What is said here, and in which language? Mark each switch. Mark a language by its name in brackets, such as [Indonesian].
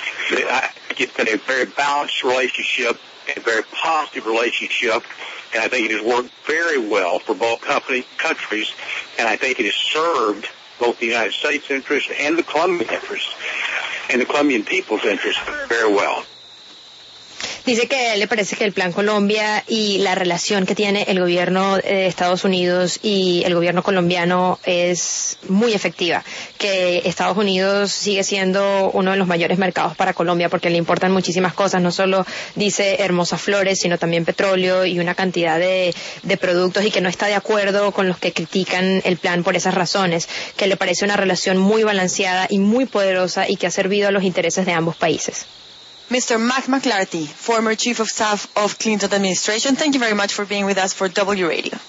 [English] It's been a very balanced relationship, a very positive relationship, and I think it has worked very well for both countries, and I think it has served both the United States' interests and the Colombian interests, and the Colombian people's interests very well. [Spanish] Dice que a él le parece que el Plan Colombia y la relación que tiene el gobierno de Estados Unidos y el gobierno colombiano es muy efectiva, que Estados Unidos sigue siendo uno de los mayores mercados para Colombia porque le importan muchísimas cosas, no solo dice hermosas flores, sino también petróleo y una cantidad de productos, y que no está de acuerdo con los que critican el plan por esas razones, que le parece una relación muy balanceada y muy poderosa y que ha servido a los intereses de ambos países. [English] Mr. Mac McLarty, former Chief of Staff of Clinton Administration, thank you very much for being with us for W Radio.